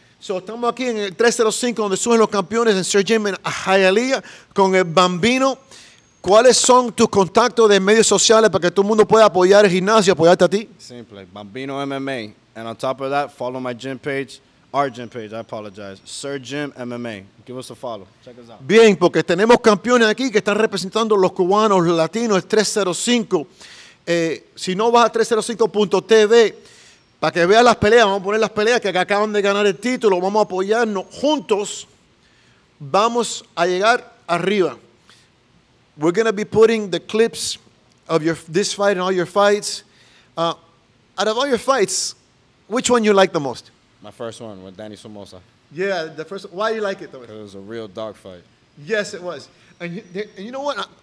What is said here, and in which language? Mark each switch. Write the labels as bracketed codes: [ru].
[es] So, estamos aquí en el 305 donde suben los campeones en Sir Jim en Hialeah con el Bambino. ¿Cuáles son tus contactos de medios sociales para que todo el mundo pueda apoyar el gimnasio, apoyarte a ti? Simple. Bambino MMA. [en] And on top of that, follow my gym page. Our gym page, I apologize. Sir Jim MMA. Give us a follow. Check us out. [es] Bien, porque tenemos campeones aquí que están representando los cubanos, los latinos, el 305. Si no vas a 305.tv, para que veas las peleas, vamos a poner las peleas que acaban de ganar el título, vamos a apoyarnos juntos, vamos a llegar arriba. [en] We're going to be putting the clips of your this fight and all your fights. Out of all your fights, which one you like the most? My first one with Danny Somoza. Yeah, the first. Why you like it though? Because it was a real dog fight. Yes, it was. And you know what?